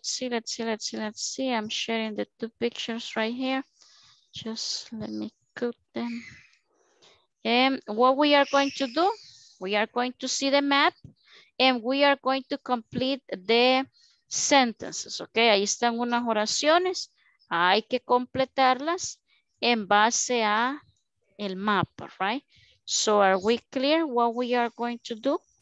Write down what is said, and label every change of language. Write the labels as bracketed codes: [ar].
[en] Let's see. I'm sharing the two pictures right here. Just let me cut them. And what we are going to do, we are going to see the map and we are going to complete the sentences, okay? [es] Ahí están unas oraciones, hay que completarlas en base a el mapa, right? [en] So are we clear what we are going to do?